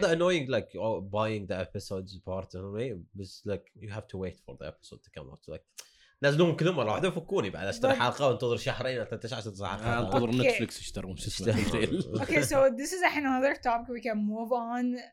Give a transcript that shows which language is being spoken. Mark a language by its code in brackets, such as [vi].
[en] the annoying, like, buying the episodes part of me, but like, you have to wait for the episode to come out. [ar] Like, نزلوهم كلهم راح واحدة فكوني بعد اشتري حلقة وانتظر شهرين حتى تسعة تسعة انتظر نتفليكس يشترون [en] okay so this is another topic we can move on.